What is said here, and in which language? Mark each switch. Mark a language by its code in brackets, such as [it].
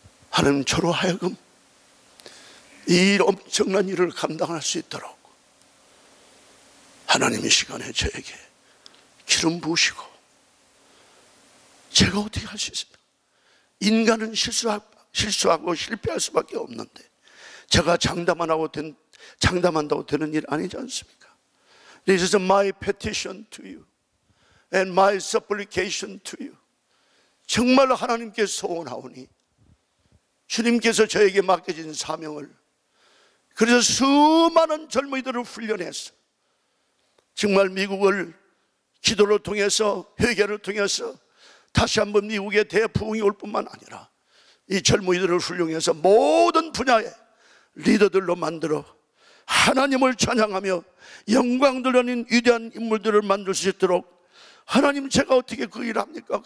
[ko] 하나님 저로 하여금 이 엄청난 일을 감당할 수 있도록 하나님 이 시간에 저에게 기름 부으시고 제가 어떻게 할 수 있습니까? 인간은 실수하고 실패할 수밖에 없는데 제가 장담한다고 되는 일 아니지 않습니까? [en] This is my petition to you and my supplication to you. [ko] 정말로 하나님께 소원하오니 주님께서 저에게 맡겨진 사명을 그래서 수많은 젊은이들을 훈련해서 정말 미국을 기도를 통해서 회개를 통해서 다시 한번 미국에 대부흥이 올 뿐만 아니라 이 젊은이들을 훈련해서 모든 분야에 리더들로 만들어 하나님을 찬양하며 영광 돌리는 위대한 인물들을 만들 수 있도록 하나님 제가 어떻게 그 일을 합니까?